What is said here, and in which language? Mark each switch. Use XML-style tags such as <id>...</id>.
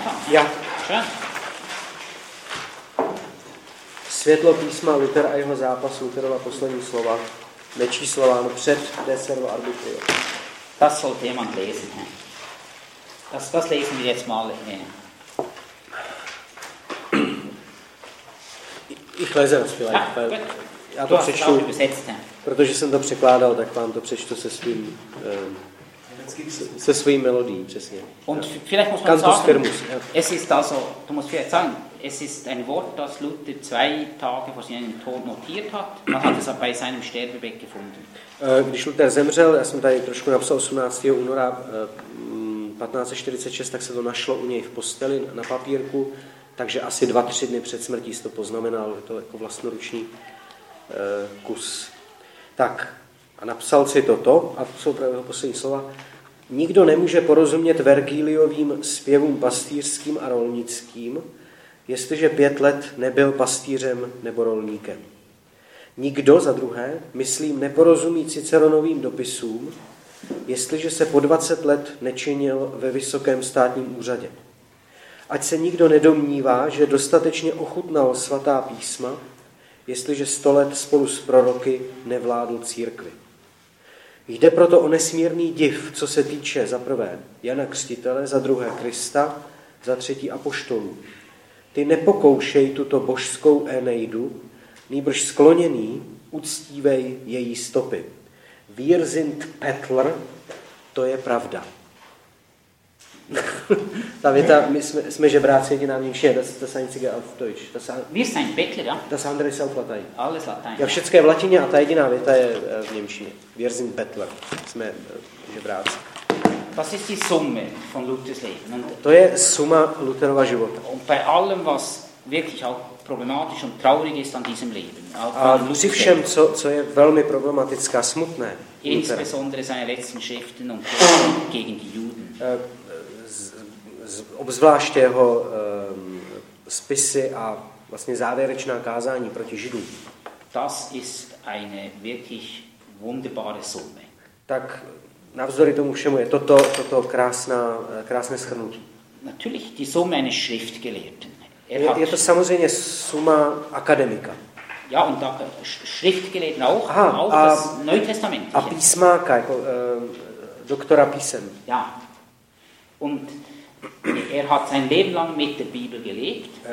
<cs>Ja. Světlo písma Luther a jeho zápas, Lutherova poslední slova, nečíslováno před Deservo Arbitrio.</cs> <de>Das sollte jemand lesen. Das lesen wir jetzt mal. Ich lese das vielleicht.</de> <cs>Ja, ja, to přečtu, protože jsem to překládal, tak vám to přečtu se svým se svým melodií, přesně.</cs> <de>Und vielleicht muss man sagen, Firmus, ja. Es ist also, du musst vielleicht sagen, es ist ein Wort, das Luther zwei Tage vor seinem Tod notiert hat. Man hat es aber bei seinem Sterbebett gefunden.</de> <cs>Když Luther zemřel, já jsem tady trošku napsal 18. února 1546, tak se to našlo u něj v posteli na papírku, takže asi 2-3 dny před smrtí se to poznamenal, je to jako vlastnoruční kus. Tak, a napsal si toto, a to jsou právě jeho poslední slova, nikdo nemůže porozumět Vergíliovým zpěvům pastýřským a rolnickým, jestliže 5 let nebyl pastýřem nebo rolníkem. Nikdo, za druhé, myslím, neporozumí Ciceronovým dopisům, jestliže se po 20 let nečinil ve vysokém státním úřadě. Ať se nikdo nedomnívá, že dostatečně ochutnal svatá písma, jestliže 100 let spolu s proroky nevládl církvi. Jde proto o nesmírný div, co se týče za prvé Jana Křtitele, za druhé Krista, za třetí apoštolů. Ty nepokoušej tuto božskou Eneidu, nýbrž skloněný uctívej její stopy.</cs> <de>Wir sind Petler,</de> <cs>to je pravda. Ta věta, my jsme žebráci, jediná mější,</cs> <de>das einzige auf Deutsch. Wir sind Petler, ja? Das andere ist auf Latein. Alles Latein.</de> <cs>Ja, všecké v latině a ta jediná věta je v němčině.</cs> <de>Wir sind Petler,</de> <cs>jsme žebráci.</cs> <de>Das ist die Summe von Luthers Leben.</de> <cs>To je suma Lutherova života.</cs> <de>Und bei allem, was wirklich auch problematisch und traurig ist an diesem Leben.</de> <cs>A při všem, co je velmi problematické a smutné.</cs> <de>Insbesondere seine letzten Schriften und gegen die Juden.</de> <cs>Obzvláště jeho spisy a vlastně závěrečná kázání proti Židům.</cs> <de>Das ist eine wirklich wunderbare Summe.</de> <cs>Tak navzdory tomu všemu je toto krásné shrnutí.</cs> <de>Natürlich die Summe eines Schriftgelehrten.</de> <cs>Je to samozřejmě suma akademika.</cs> <de>Ja, und da Schriftgelehrten auch, aha, auch a, das Neue Testament.</de> <cs>A písmáka, jako doktora písem. Ja.</cs> <de>Und hat sein Leben lang mit der Bibel gelebt.</de>